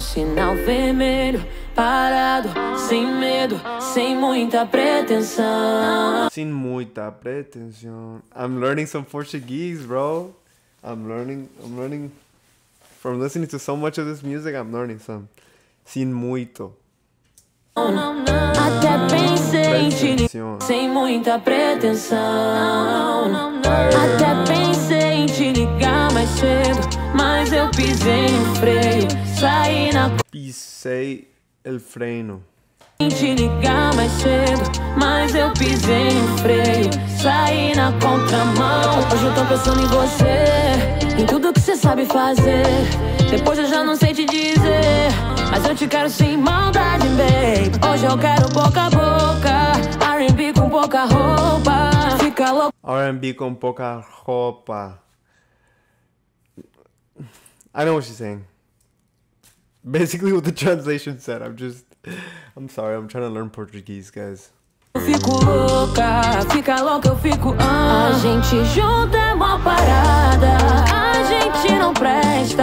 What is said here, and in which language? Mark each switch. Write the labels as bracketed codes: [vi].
[pt] Sinal vermelho, parado, sem medo, sem muita pretensão. Sem muita pretensão. [en] I'm learning some Portuguese, bro. I'm learning from listening to so much of this music. I'm learning some. [pt] Sin muito. Até pensei em te ligar sem muita pretensão. Até pensei em te ligar mais cedo, mas eu pisei no freio. Saí na pisei el freno. Em te ligar mais cedo, mas eu pisei no freio. Saí na contramão. Hoje eu tô pensando em você, em tudo que você sabe fazer. Depois eu já não sei te dizer. Mas eu te quero sem maldade, babe. Hoje eu quero boca a boca. R&B com pouca roupa. Fica louco. R&B com pouca roupa. [en] I know what she's saying. Basically what the translation said. I'm sorry, I'm trying to learn Portuguese, guys. [pt] Fico louca, fica louca, eu fico. A gente junta é uma parada. A gente não presta.